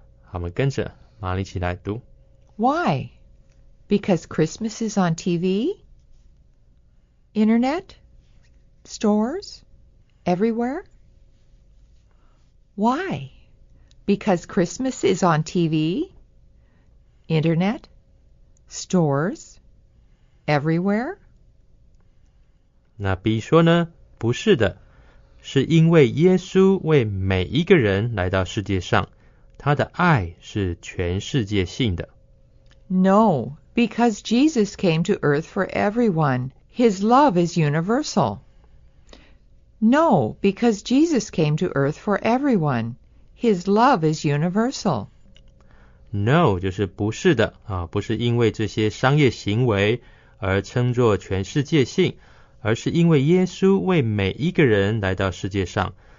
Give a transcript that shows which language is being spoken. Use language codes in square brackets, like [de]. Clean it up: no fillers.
[zh] 好，我们跟着玛丽一起来读。 [en] Why? Because Christmas is on TV? Internet, stores, everywhere. Why? Because Christmas is on TV, internet, stores, everywhere. [zh] 那 B 说呢？不是的，是因为耶稣为每一个人来到世界上，他的爱是全世界性的。 [en] No, because Jesus came to earth for everyone. His love is universal. No, because Jesus came to earth for everyone. His love is universal. [zh] No, 就是不是的啊，不是因为这些商业行为而称作全世界性，而是因为耶稣为每一个人来到世界上。